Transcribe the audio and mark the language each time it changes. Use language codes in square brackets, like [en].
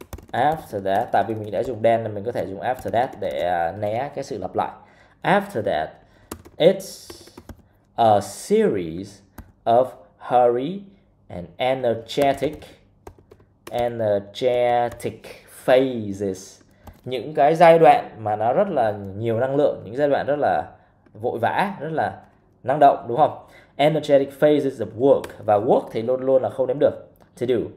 [en] After that, [vi] tại vì mình đã dùng then nên mình có thể dùng after that để né cái sự lặp lại. [en] After that, it's a series of hurry and energetic phases. [vi] Những cái giai đoạn mà nó rất là nhiều năng lượng, những giai đoạn rất là vội vã, rất là năng động, đúng không? [en] Energetic phases of work. [vi] Và work thì luôn luôn là không đếm được. [en] To do.